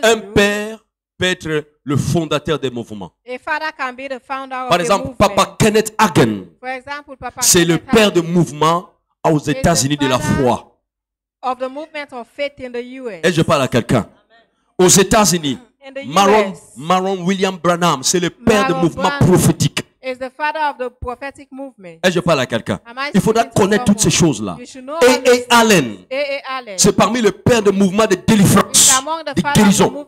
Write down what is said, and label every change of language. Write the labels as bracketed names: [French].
[French] un père peut être le fondateur des mouvements. [English] A father can be the founder of [French] Par exemple, Papa Kenneth Hagin, c'est le père de mouvement aux États-Unis de la foi. [English] Of the movement of faith in the US. [French] Et je parle à quelqu'un. Aux États-Unis, Marron William Branham, c'est le père Marlon de mouvement prophétique. [English] Is the father of the prophetic movement. [French] Et je parle à quelqu'un. Il faudra connaître toutes ces choses-là. A.A. Allen. C'est parmi les pères de mouvement de délivrance, de guérison.